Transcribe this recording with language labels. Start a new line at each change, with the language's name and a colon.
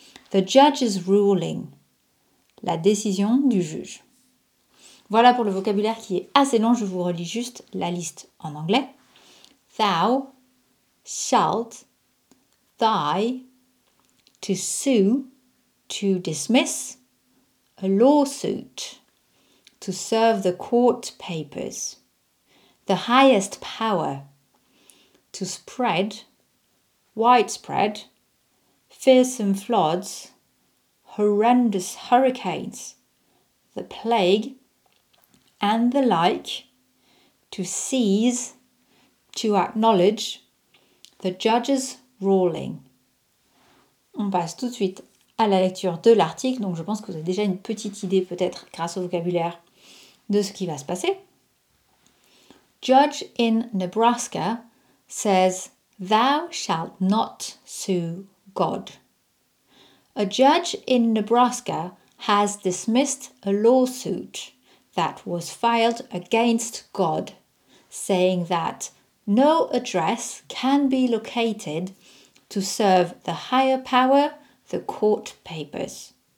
English: The judge's ruling,
French: la décision du juge. Voilà pour le vocabulaire qui est assez long, je vous relis juste la liste en anglais.
English: Thou, shalt, thy, to sue, to dismiss, a lawsuit to serve the court papers, the highest power to spread widespread fearsome floods, horrendous hurricanes, the plague and the like, to seize, to acknowledge the judge's ruling.
French: On passe tout de suite à la lecture de l'article, donc je pense que vous avez déjà une petite idée peut-être grâce au vocabulaire de ce qui va se passer.
English: Judge in Nebraska says, thou shalt not sue God. A judge in Nebraska has dismissed a lawsuit that was filed against God, saying that no address can be located to serve the higher power, the court papers.